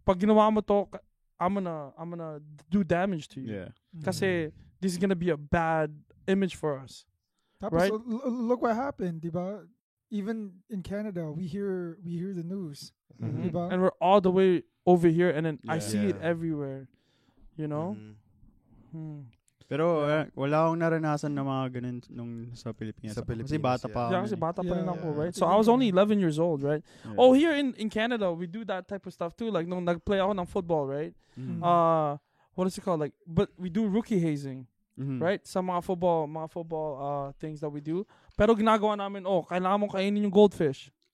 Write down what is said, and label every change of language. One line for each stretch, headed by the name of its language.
Filipino: pag ginawa mo to,
English: I'm gonna do damage to you. Yeah. Mm-hmm. Kasi this is gonna be a bad image for us.
Filipino: Tapos,
English: right? Look what happened, diba? Even in Canada, we hear the news. Mm-hmm. Diba? And we're all the way over here and then yeah. I see yeah. it everywhere. You know? Mm-hmm. Hmm.
Filipino: Pero wala akong naranasan na mga ganun nung sa Pilipinas. Sa Pilipinas. Kasi bata pa. Yeah, kasi bata pa rin yeah.
English: ako, right? So I was only 11 years old, right? Yeah. Oh, here in Canada, we do that type of stuff too. Like,
Filipino: nung nag-play ako
English: ng football, right? Mm-hmm. What is it called? Like, but we do rookie hazing, mm-hmm. right? Sa mga football things that we do.
Filipino: Pero ginagawa namin, oh, kailangan mong kainin yung goldfish.